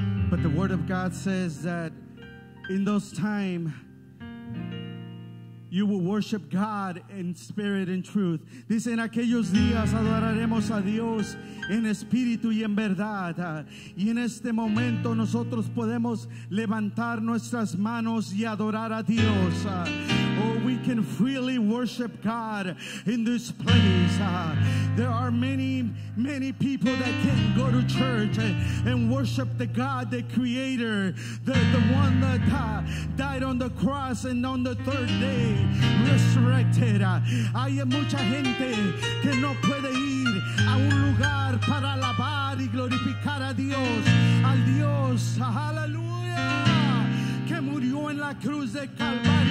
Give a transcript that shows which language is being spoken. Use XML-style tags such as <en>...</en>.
<en>But the word of God says that in those times, you will worship God in spirit and truth.</en> <es>Dice, en aquellos días adoraremos a Dios en espíritu y en verdad. Y en este momento nosotros podemos levantar nuestras manos y adorar a Dios.</es> <en>Oh, we can freely worship God in this place. There are many, many people that can go to church and worship the God, the Creator, the one that died on the cross and on the third day resurrected.</en> <es>Hay mucha gente que no puede ir a un lugar para alabar y glorificar a Dios, al Dios, aleluya, que murió en la cruz del Calvario.</es>